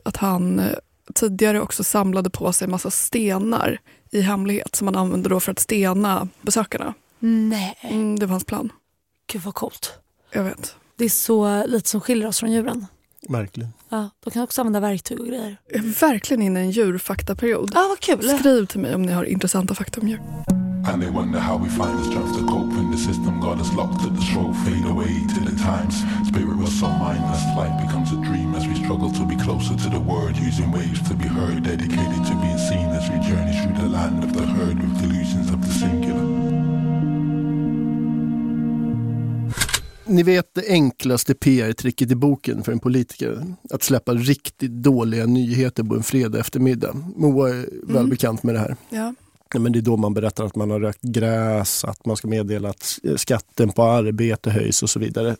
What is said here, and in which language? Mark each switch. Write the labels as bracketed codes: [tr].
[sv] Att han tidigare också samlade på sig massa stenar i hemlighet som han använde då för att stena besökarna. Nej. Det var hans plan. Gud vad coolt. Jag vet. Det är så lite som skiljer oss från djuren. Märkligt. Ja, de kan också använda verktyg och grejer. Jag är verkligen inne i en djurfaktaperiod. Ja, vad kul. Skriv till mig om ni har intressanta fakta om djur. [en] And they wonder how we find the strength to cope when the system got us locked at the stroke. Fade away to the times spirit was so mindless. Life becomes a dream as we struggle to be closer to the word, using waves to be heard, dedicated to being seen as we journey through the land of the herd with delusions of the singular. [sv] Ni vet det enklaste PR-tricket i boken för en politiker. Att släppa riktigt dåliga nyheter på en fredag eftermiddag. Moa är väl bekant med det här. Ja. Men det är då man berättar att man har rökt gräs, att man ska meddela att skatten på arbete höjs och så vidare.